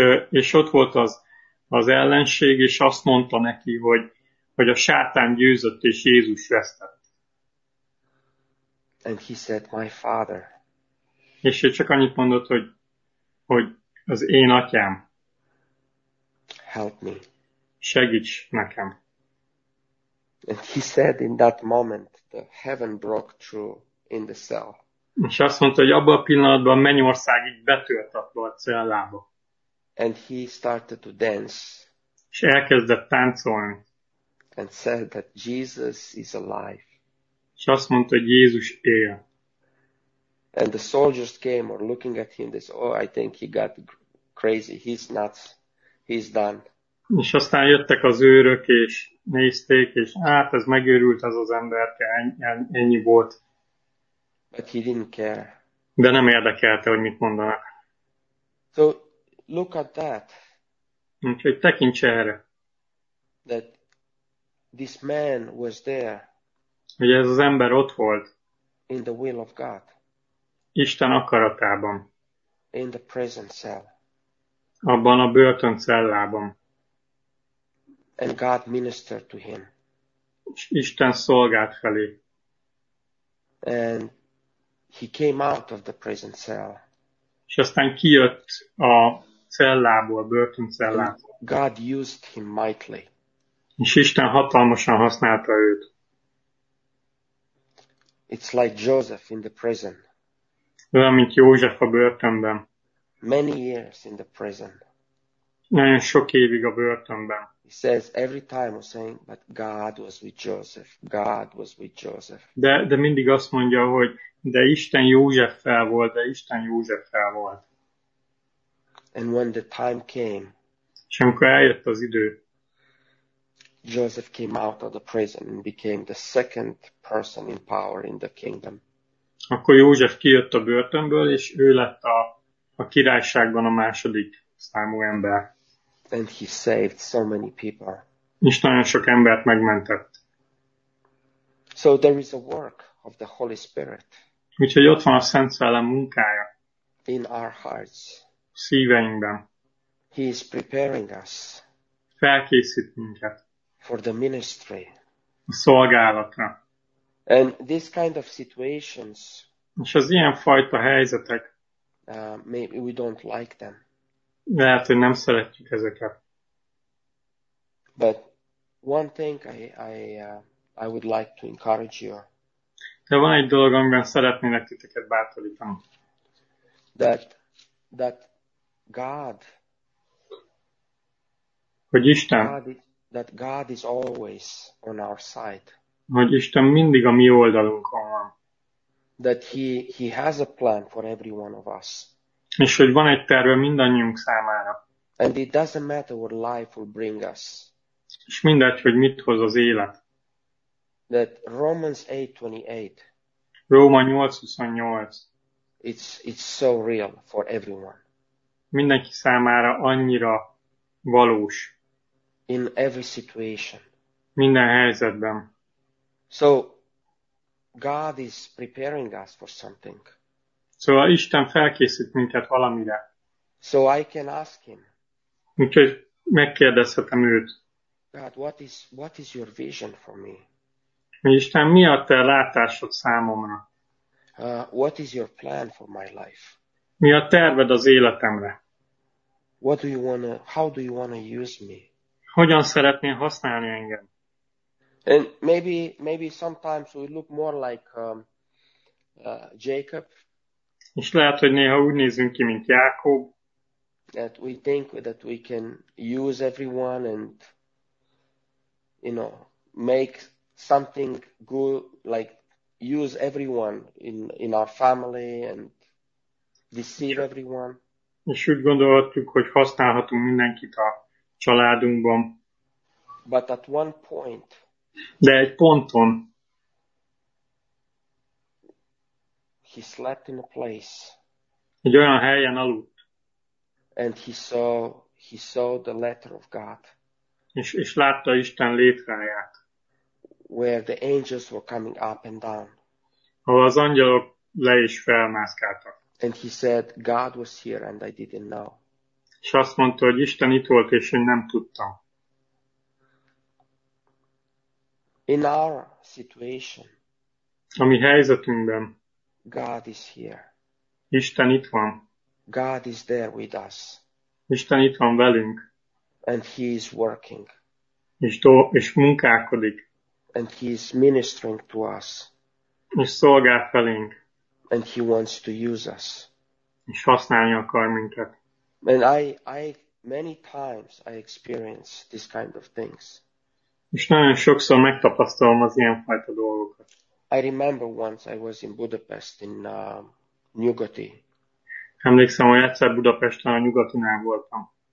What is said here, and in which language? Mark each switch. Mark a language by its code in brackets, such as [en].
[hu] És ott volt az ellenség, és azt mondta neki, hogy a sátán győzött, és Jézus vesztett. [en] And he said, my father. [hu] És ő csak annyit mondott, hogy az én atyám. [en] Help me. [hu] Segíts nekem. [en] And he said in that moment, the heaven broke through in the cell. [hu] És azt mondta, hogy abban a pillanatban mennyországig betört a placellába. [en] And he started to dance. [hu] És elkezdett táncolni. [en] And said that Jesus is alive. [hu] És azt mondta, hogy Jézus él. [en] And the soldiers came or looking at him, they said, oh, I think he got crazy, he's nuts, he's done. [hu] És aztán jöttek az őrök, és nézték, és hát ez megőrült az az ember, ennyi volt. [en] But he didn't care. [hu] De nem érdekelte, hogy mit mondanak. [en] So, look at that. [hu] Úgyhogy tekints erre. [en] That this man was there. [hu] Hogy ez az ember ott volt. [en] In the will of God. [hu] Isten akaratában. [en] In the prison cell. [hu] Abban a börtön cellában. [en] And God ministered to him. [hu] És Isten szolgált felé. [en] And he came out of the prison cell. [hu] És aztán kijött a cellából, börtön cellából. [en] God used him mightily. [hu] És Isten hatalmasan használta őt. [en] It's like Joseph in the prison. [hu] Olyan, mint József a börtönben. [en] Many years in the prison. [hu] Nagyon sok évig a börtönben. [en] He says every time was saying, but God was with Joseph. God was with Joseph. [hu] De mindig azt mondja, hogy de Isten Józseffel volt, de Isten Józseffel volt. [en] And when the time came, [hu] és amikor eljött az idő, [en] Joseph came out of the prison and became the second person in power in the kingdom. [hu] Akkor József kijött a börtönből, és ő lett a királyságban a második számú ember. [en] And he saved so many people. [hu] És nagyon sok embert megmentett. [en] So there is a work of the Holy Spirit. [hu] Úgyhogy ott van a Szent Szellem munkája. [en] In our hearts. [hu] Szíveinkben. [en] He is preparing us. [hu] Felkészít minket. [en] For the ministry. [hu] A szolgálatra. [en] And this kind of situations. [hu] És az ilyen fajta helyzetek. [en] Maybe we don't like them. [hu] Lehet, hogy nem szeretjük ezeket. [en] But one thing I would like to encourage you. [hu] De van egy dolog, amiben szeretnének titeket bátorítani. [en] That God. [hu] Hogy Isten. [en] That God is always on our side. [hu] Hogy Isten mindig a mi oldalunkon van. [en] That he has a plan for every one of us. [hu] És hogy van egy terve mindannyiunk számára. [en] And it doesn't matter what life will bring us. [hu] És mindegy, hogy mit hoz az élet. [en] That Romans 8:28. [hu] Róma 8:28. [en] It's so real for everyone. [hu] Mindenki számára annyira valós. [en] In every situation. [hu] Minden helyzetben. [en] So God is preparing us for something. [hu] Szóval Isten felkészít minket valamire. [en] So I can ask him. [hu] Úgyhogy megkérdezhetem őt. [en] God, what is your vision for me? [hu] Isten, mi a te látásod számomra? [en] What is your plan for my life? [hu] Mi a terved az életemre? [en] What do you wanna, how do you wanna use me? [hu] Hogyan szeretnél használni engem? [en] And maybe sometimes we look more like Jacob. [hu] És lehet, hogy néha úgy nézünk ki, mint Jákob. [en] That we think that we can use everyone and you know make something good, like use everyone in our family and deceive everyone. [hu] És úgy gondoltuk, hogy használhatunk mindenkit a családunkban. [en] But at one point. [hu] De egy ponton. [en] He slept in a place. [hu] Egy olyan helyen aludt. [en] And he saw the letter of God. [hu] És látta Isten létráját. [en] Where the angels were coming up and down. [hu] Ahol az angyalok le is felmászkáltak. [en] And he said, God was here and I didn't know. [hu] És azt mondta, hogy Isten itt volt, és én nem tudtam. [en] In our situation. [hu] A mi helyzetünkben. [en] God is here. [hu] Isten itt van. [en] God is there with us. [hu] Isten itt van velünk. [en] And he is working. [hu] És munkálkodik. [en] And he is ministering to us. [hu] És szolgál felénk. [en] And he wants to use us. [hu] És használni akar minket. [en] And I many times I experience this kind of things. [hu] És nagyon sokszor megtapasztalom az ilyenfajta dolgokat. [en] I remember once I was in Budapest in Nyugati. [hu] Emlékszem, hogy egyszer Budapesten a Nyugatinál voltam.